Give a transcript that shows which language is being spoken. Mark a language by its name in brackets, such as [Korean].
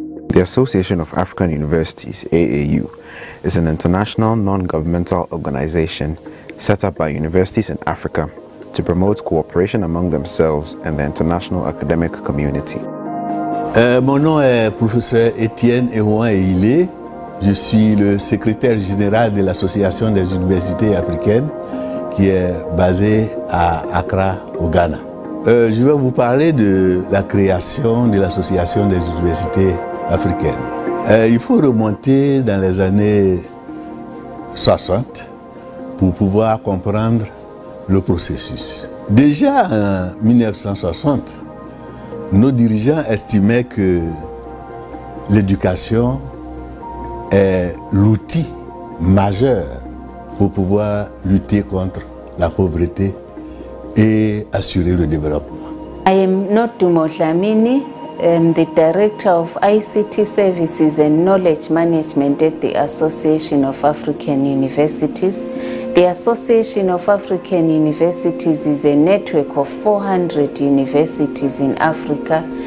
[English] The Association of African Universities, AAU, is an international non-governmental organization set up by universities in Africa to promote cooperation among themselves and the international academic community. [French] Mon nom est Professeur Étienne Ewan Eile. Je suis le secrétaire général de l'Association des universités africaines qui est basée à Accra, au Ghana. Je vais vous parler de la création de l'Association des universités africaines. Il faut remonter dans les années 60 pour pouvoir comprendre le processus. Déjà en 1960, nos dirigeants estimaient que l'éducation est l'outil majeur pour pouvoir lutter contre la pauvreté et assurer le développement. [English] I am Notu Moshamini, I'm the director of ICT Services and Knowledge Management at the Association of African Universities. The Association of African Universities is a network of 400 universities in Africa.